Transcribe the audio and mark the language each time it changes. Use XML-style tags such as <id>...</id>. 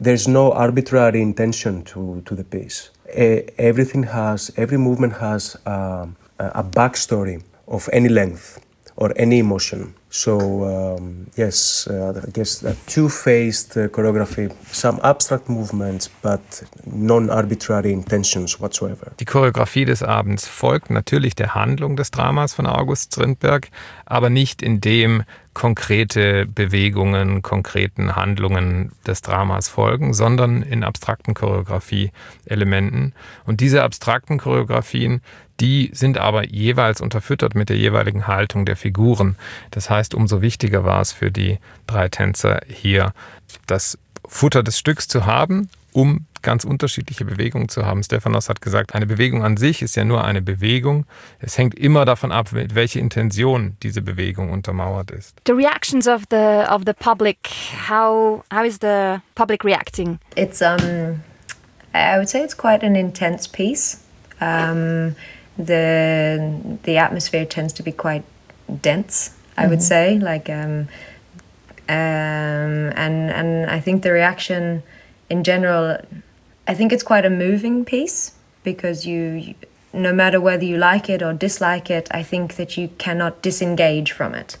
<en>There's no arbitrary intention to the piece. Every movement has a backstory of any length or any emotion. So, I guess a two-faced choreography, some abstract movements, but non-arbitrary intentions whatsoever.</en> <de>Die Choreografie des Abends folgt natürlich der Handlung des Dramas von August Strindberg, aber nicht in dem konkrete Bewegungen, konkreten Handlungen des Dramas folgen, sondern in abstrakten Choreografie-Elementen. Und diese abstrakten Choreografien, die sind aber jeweils unterfüttert mit der jeweiligen Haltung der Figuren. Das heißt, umso wichtiger war es für die drei Tänzer hier, das Futter des Stücks zu haben, um ganz unterschiedliche Bewegungen zu haben. Stefanos hat gesagt, eine Bewegung an sich ist ja nur eine Bewegung. Es hängt immer davon ab, mit welcher Intention diese Bewegung untermauert ist.</de> <en>The reactions of the public, how is the public reacting? It's I would say it's quite an intense piece. The atmosphere tends to be quite dense, I would say, and I think the reaction in general, I think it's quite a moving piece because you no matter whether you like it or dislike it, I think that you cannot disengage from it.</en>